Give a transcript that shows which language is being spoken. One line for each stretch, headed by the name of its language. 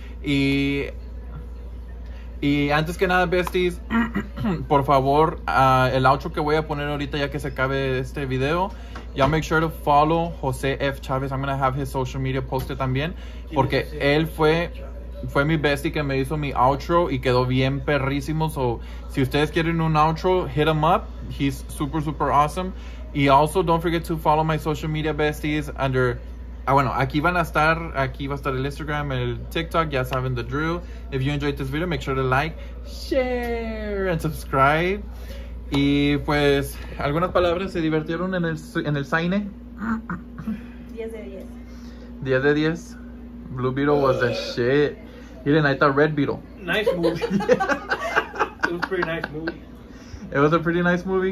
Spanish: Y antes que nada, besties, por favor, el outro que voy a poner ahorita ya que se acabe este video.
English: Y'all make sure to follow José F. Chávez. I'm going to have his social media posted
Spanish: también. Porque él fue mi bestie que me hizo mi outro y quedó bien perrísimo.
English: So,
Spanish: si ustedes quieren un outro,
English: hit him up. He's super, super awesome. Y also, don't forget to follow my social media besties under...
Spanish: aquí va a estar el Instagram, el TikTok. Ya saben
English: the drill. If you enjoyed this video, make sure to like, share, and subscribe.
Spanish: Y pues, algunas palabras, ¿se divirtieron en el cine? 10 de 10. 10 de 10.
English: Blue Beetle was the shit.
Spanish: Miren, ahí está Red Beetle.
English: Nice movie. It was a pretty nice movie. It was a pretty nice movie?